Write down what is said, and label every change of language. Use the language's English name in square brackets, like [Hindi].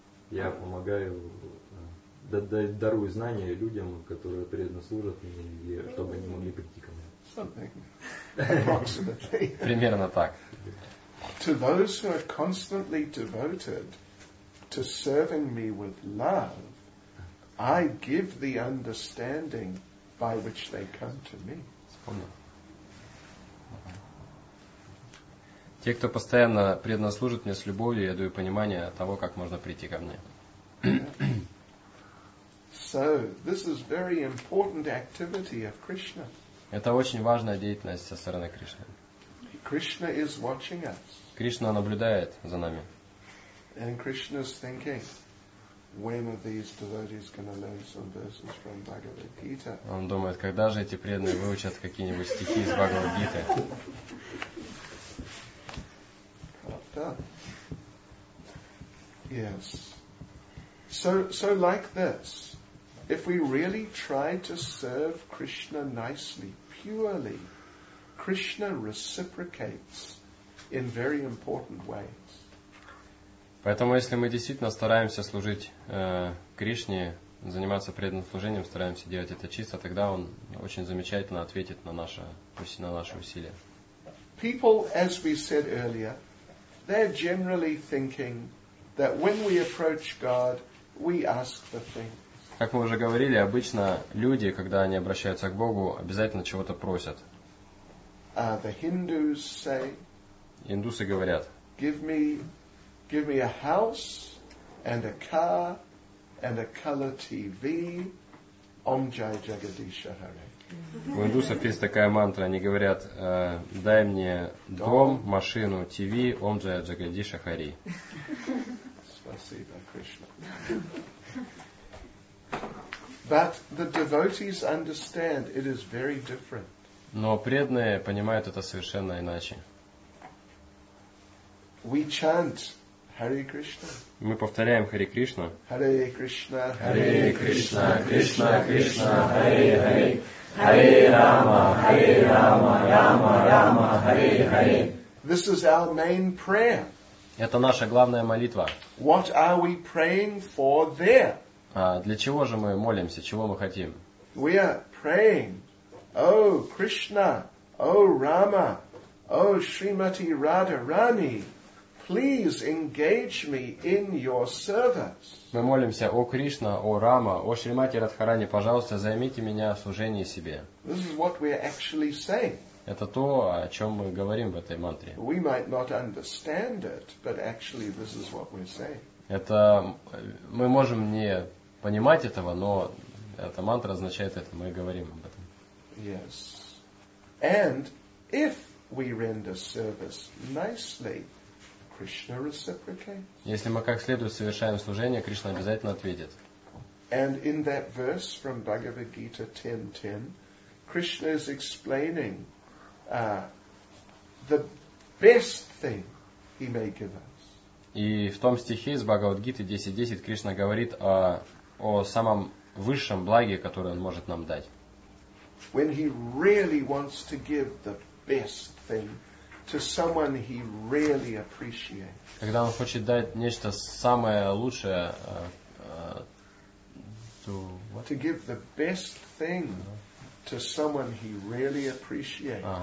[Russian] Я помогаю, дарую знания людям, которые преданно служат мне, чтобы они могли прийти ко мне. Примерно так. [English] To those who are constantly devoted to serving me with love, I give the understanding by which they come to me. [Russian] Те, кто постоянно преданно служит мне с любовью, я даю понимание того, как можно прийти ко мне. [English] So, this is very important activity of Krishna. [Russian] Это очень важная деятельность со стороны Кришны. [English] Krishna is watching us. [Russian] Кришна наблюдает за нами. [English] And Krishna's thinking, when are these devotees going to learn some verses from Bhagavad Gita? [Russian] Он думает, когда же эти преданные выучат какие-нибудь стихи из Бхагавад Гиты? [English] Yes. So like this, if we really try to serve Krishna nicely, purely, Krishna reciprocates in very important ways. [Russian] Поэтому, если мы действительно стараемся служить Кришне, заниматься преданным служением, стараемся делать это чисто, тогда Он очень замечательно ответит на наши усилия. [English] People, as we said earlier, they're generally thinking that when we approach God, we ask the things. [Russian] Как мы уже говорили, обычно люди, когда они обращаются к Богу, обязательно чего-то просят. [English] The Hindus say, [Russian] индусы говорят, [English] give me a house and a car and a color TV, [Sanskrit] Om Jai Jagadisha Hare. [Russian] У индусов есть такая мантра, они говорят, дай мне дом, машину, ТВ, [Sanskrit] Ом Джая Джагадиша Хари. [Russian] Спасибо, Кришна. [English] But the devotees understand it is very different. [Russian] Но преданные понимают это совершенно иначе. [English] We chant Hare Krishna. [Russian] Мы повторяем Хари Кришна. [Sanskrit] Hare Krishna, Hare Krishna, Krishna Krishna, Hare Hare. Hare Rama, Hare Rama, Rama Rama, Hare Hare. [English] This is our main prayer. [Russian] Это наша главная молитва. [English] What are we praying for there? [Russian] Для чего же мы молимся? Чего мы хотим? [English] We are praying, O Krishna, O Rama, O Srimati Radharani, please engage me in your service. [Russian] Мы молимся, О Кришна, О Рама, О Шримати Радхарани, пожалуйста, займите меня в служении себе. [English] This is what we are actually saying. [Russian] Это то, о чем мы говорим в этой мантре. [English] We might not understand it, but actually this is what we're saying. [Russian] Это мы можем не понимать этого, но эта мантра означает это, мы говорим об этом. [English] Yes. And if we render service nicely, Krishna reciprocates. [Russian] Если мы как следует совершаем служение, Кришна обязательно ответит. [English] And in that verse from Bhagavad Gita 10.10, Krishna is explaining the best thing he may give us. [Russian] И в том стихе из Бхагавад Гиты 10.10 Кришна говорит о самом высшем благе, которое он может нам дать. [English] When he really wants to give the best thing to someone he really appreciates. [Russian] Когда он хочет дать нечто самое лучшее, [English] to give the best thing to someone he really appreciates.